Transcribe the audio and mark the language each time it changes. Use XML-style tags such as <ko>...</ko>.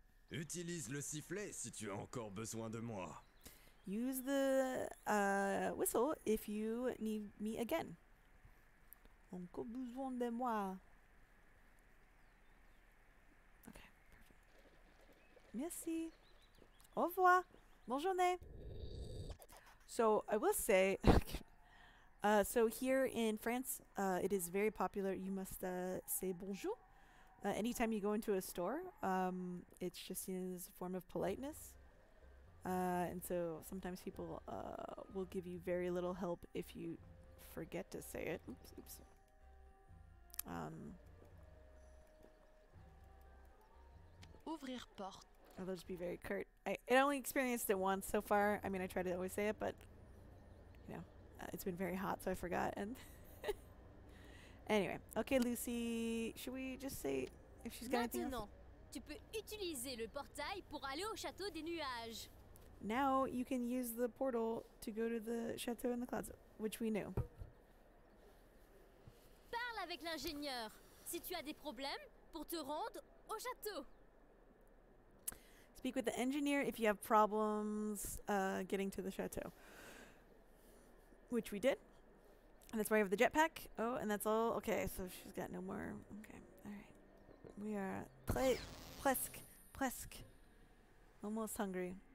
<fr>Utilise le sifflet si tu as encore besoin de moi.</fr> <en>Use the whistle if you need me again.</en> <fr>Encore besoin de moi. Merci. Au revoir. Bonne journée.</fr> <en>So I will say, so here in France, it is very popular. You must say bonjour anytime you go into a store. It's just seen as a form of politeness. And so sometimes people will give you very little help if you forget to say it. Oops, oops.</en> <fr>Ouvrir porte.</fr> <en>Oh, they'll just be very curt. I only experienced it once so far. I mean, I try to always say it, but you know, it's been very hot, so I forgot. And anyway, okay, Lucy, should we just say if she's got anything else?</en> <fr>Tu peux utiliser le portail pour aller au château des nuages.</fr> <en>Now you can use the portal to go to the château in the clouds, which we knew.</en> <fr>Parle avec l'ingénieur si tu as des problèmes pour te rendre au château.</fr> <en>Speak with the engineer if you have problems getting to the chateau. Which we did. And that's why I have the jetpack. Oh, and that's all. Okay, so she's got no more. Okay, alright. We are presque. Almost hungry.</en>